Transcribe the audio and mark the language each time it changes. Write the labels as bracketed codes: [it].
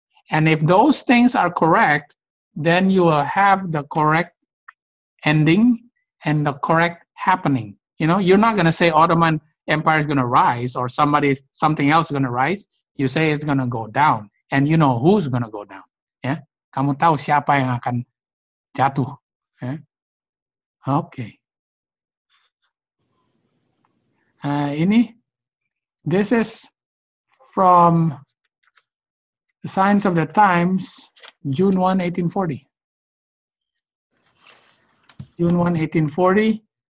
[en] And if those things are correct, then you will have the correct ending and the correct happening. You know, you're not going to say Ottoman Empire is going to rise or something else is going to rise. You say it's going to go down, and you know who's going to go down. [id] Yeah, kamu tahu siapa yang akan jatuh. [en] Yeah? Okay. Ini, this is from the Signs of the Times, June 1, 1840.